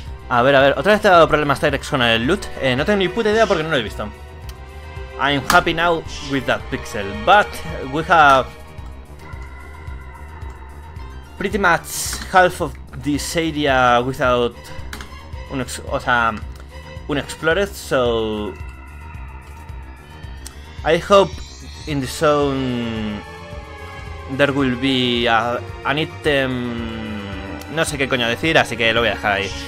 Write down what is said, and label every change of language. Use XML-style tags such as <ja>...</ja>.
<es>A ver, otra vez te he dado problemas, Tyrex, con el loot. No tengo ni puta idea porque no lo he visto.</es> <en>I'm happy now with that pixel, but we have pretty much half of this area without un explorer, so I hope in the zone there will be an item.</en> <es>No sé qué coño decir, así que lo voy a dejar ahí.</es>